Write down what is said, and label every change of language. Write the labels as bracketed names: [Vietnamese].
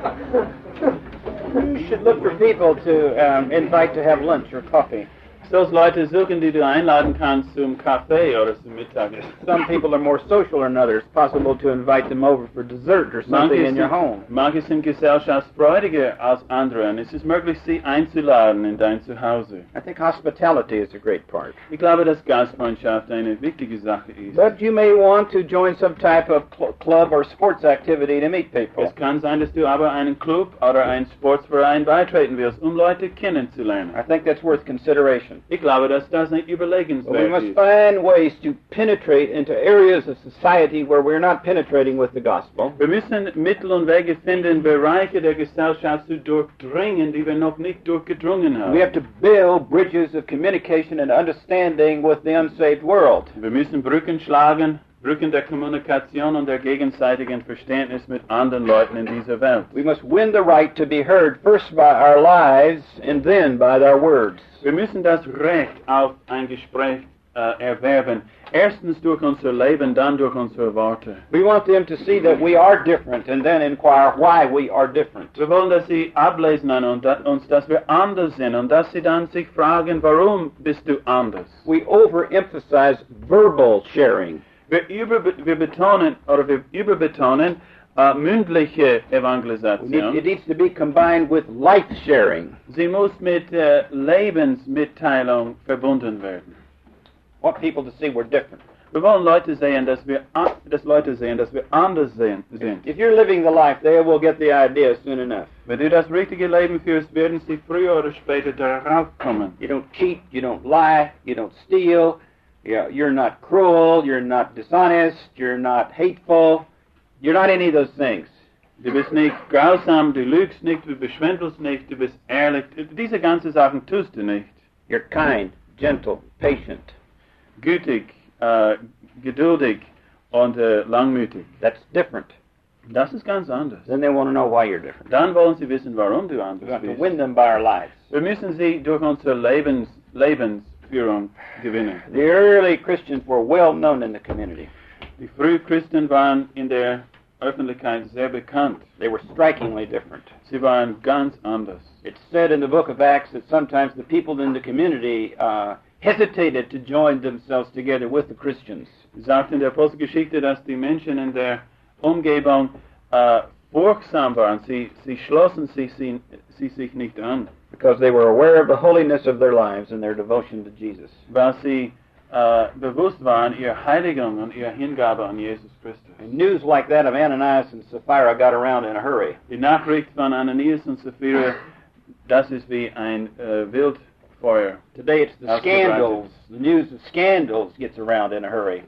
[English] You should look for people to invite to have lunch or coffee. [German] Those Leute suchen, die du einladen kannst zum Kaffee oder zum Mittagessen. [English] Some people are more social than others. It's possible to invite them over for dessert or something in your home. [German] Manche sind gesellschaftsfreudiger als andere, und es ist möglich, sie einzuladen in dein Zuhause. [English] I think hospitality is a great part. [German] Ich glaube, dass Gastfreundschaft eine wichtige Sache ist. [English] But you may want to join some type of club or sports activity to meet people. [German] Es kann sein, dass du aber einen Club oder einen Sportverein beitreten willst, Leute kennenzulernen. [English] I think that's worth consideration. [German] Ich glaube, dass das nicht überlegenswert ist. [English] We must find ways to penetrate into areas of society where we're not penetrating with the gospel. [German] Wir müssen Mittel und Wege finden, Bereiche der Gesellschaft zu durchdringen, die wir noch nicht durchgedrungen haben. [English] We have to build bridges of communication and understanding with the unsaved world. [German] Wir müssen Brücken schlagen. Brücken der Kommunikation und der gegenseitigen Verständnis mit anderen Leuten in dieser Welt. [English] We must win the right to be heard first by our lives and then by their words. [German] Wir müssen das Recht auf ein Gespräch erwerben. Erstens durch unser Leben, dann durch unsere Worte. [English] We want them to see that we are different and then inquire why we are different. [German] Wir wollen, dass sie ablesen an uns, dass wir anders sind und dass sie dann sich fragen, warum bist du anders? [English] We overemphasize verbal sharing. [German] Wir betonen mündliche Evangelisation. [English] It needs to be combined with life sharing. [German] Sie muss mit Lebensmitteilung verbunden werden. [English] Want people to see we're different. [German] Wir wollen Leute sehen, dass wir anders sind. [English] If you're living the life, they will get the idea soon enough. [German] Wenn du das richtige Leben führst, werden sie früher oder später darauf kommen. [English] You don't cheat, you don't lie, you don't steal. Yeah, you're not cruel, you're not dishonest, you're not hateful, you're not any of those things. [German] Du bist nicht grausam, du lügst nicht, du beschwindelst nicht, du bist ehrlich. Diese ganzen Sachen tust du nicht. [English] You're kind, gentle, patient. [German] Gütig, geduldig und langmütig. [English] That's different. [German] Das ist ganz anders. [English] Then they want to know why you're different. [German] Dann wollen sie wissen, warum du anders bist. [English] We have to win them by our lives. [German] Wir müssen sie durch unser Lebens [English] The early Christians were well known in the community. [German] Die frühen Christen waren in der Öffentlichkeit sehr bekannt. [English] They were strikingly different. [German] Sie waren ganz anders. [English] It's said in the book of Acts that sometimes the people in the community hesitated to join themselves together with the Christians. [German] Es sagt in der Apostelgeschichte, dass die Menschen in der Umgebung furchtsam waren. Sie schlossen sie sich nicht an. [English] Because they were aware of the holiness of their lives and their devotion to Jesus. [German] Weil sie bewusst waren ihr Heiligung und ihr Hingabe an Jesus Christus. [English] And news like that of Ananias and Sapphira got around in a hurry. [German] Die Nachricht von Ananias und Sapphira, das ist wie ein Wildfeuer. [English] Today it's the scandals. The news of scandals gets around in a hurry.